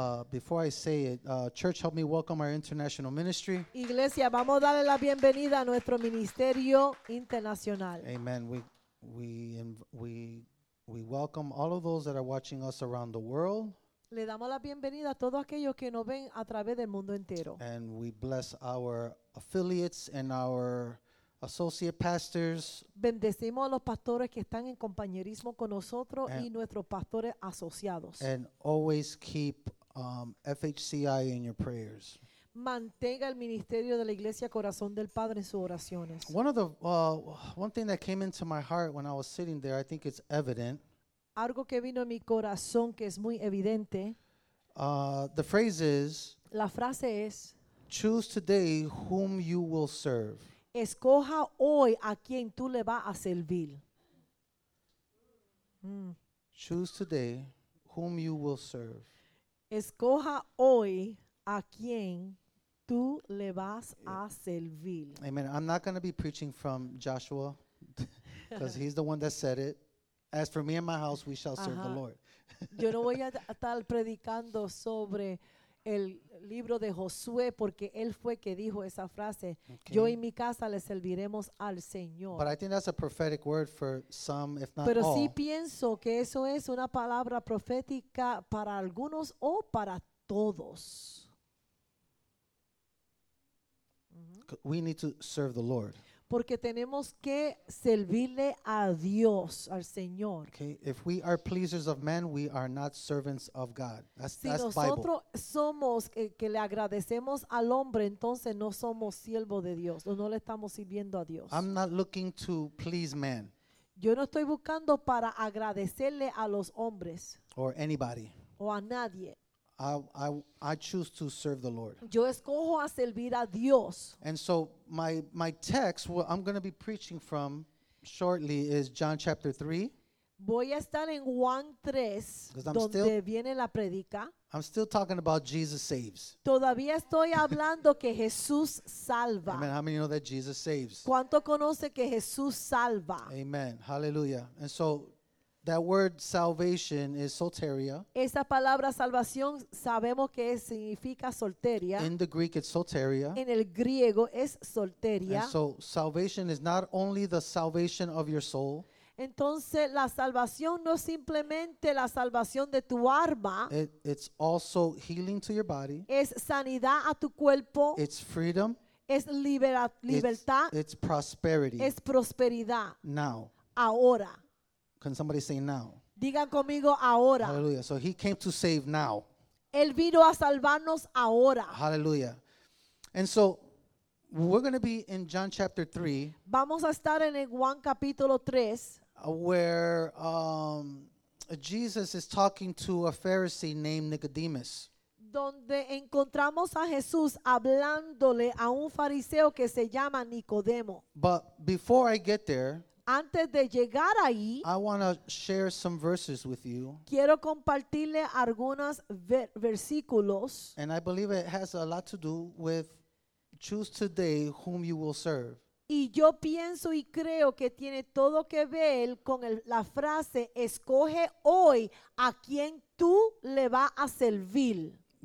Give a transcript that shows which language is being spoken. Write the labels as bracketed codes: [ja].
[en] Before I say it, church, help me welcome our international ministry. [es] Iglesia, vamos a darle la bienvenida a nuestro ministerio internacional. [en] Amen. We welcome all of those that are watching us around the world. [es] Le damos la bienvenida a todos aquellos que nos ven a través del mundo entero. [en] And we bless our affiliates and our associate pastors. [es] Bendecimos a los pastores que están en compañerismo con nosotros y nuestros pastores asociados. [en] And always keep FHCI in your prayers. [es] Mantenga el ministerio de la Iglesia Corazón del Padre en sus oraciones. [en] One thing that came into my heart when I was sitting there, I think it's evident. [es] Algo que vino a mi corazón que es muy evidente. [en] The phrase is. [es] La frase es. [en] Choose today whom you will serve. [es] Escoja hoy a quien tú le vas a servir. [en] Choose today whom you will serve. [es] Escoja hoy a quien tú le vas a servir. [en] Amen. I'm not going to be preaching from Joshua because he's the one that said it. As for me and my house, we shall serve the Lord. [es] Yo no voy a estar predicando sobre el libro de Josué porque él fue que dijo esa frase. Okay. Yo y mi casa le serviremos al Señor. [en] But I think that's a prophetic word for some, if not [es] pero [en] all. [es] Pero sí pienso que eso es una palabra profética para algunos o para todos. [en] We need to serve the Lord. [es] Porque tenemos que servirle a Dios, al Señor. [en] Okay, if we are pleasers of men, we are not servants of God. That's Bible. [es] Si nosotros somos que le agradecemos al hombre, entonces no somos siervo de Dios, o no le estamos sirviendo a Dios. [en] I'm not looking to please man. [es] Yo no estoy buscando para agradecerle a los hombres. [en] Or anybody. [es] O a nadie. [en] I choose to serve the Lord. [es] Yo escojo a servir a Dios. [en] And so my text, what I'm going to be preaching from shortly is John chapter 3. [es] Voy a estar en Juan 3, donde viene la predica. [en] I'm still talking about Jesus saves. [es] Todavía estoy hablando que Jesús salva. [en] Amen. How many know that Jesus saves? [es] ¿Cuánto conoce que Jesús salva? [en] Amen. Hallelujah. And so that word salvation is soteria. [es] Esa palabra salvación sabemos que significa soltería. [en] In the Greek, it's soteria. [es] En el griego es soltería. [en] And so salvation is not only the salvation of your soul. [es] Entonces la salvación no es simplemente la salvación de tu alma. [en] It's also healing to your body. [es] Es sanidad a tu cuerpo. [en] It's freedom. [es] Es libertad. [en] It's prosperity. [es] Es prosperidad. [en] Now. [es] Ahora. [en] Can somebody say now? [es] Digan conmigo ahora. [en] Hallelujah. So he came to save now. [es] Él vino a salvarnos ahora. [en] Hallelujah. And so we're going to be in John chapter 3. [es] Vamos a estar en Juan capítulo 3. [en] Where Jesus is talking to a Pharisee named Nicodemus. [es] Donde encontramos a Jesús hablándole a un fariseo que se llama Nicodemo. [en] But before I get there, [es] antes de llegar ahí, [en] I want to share some verses with you. [es] Quiero compartirle algunos versículos. [en] And I believe it has a lot to do with choose today whom you will serve. [es] Y yo pienso y creo que tiene todo que ver con la frase escoge hoy a quien tú le vas a servir.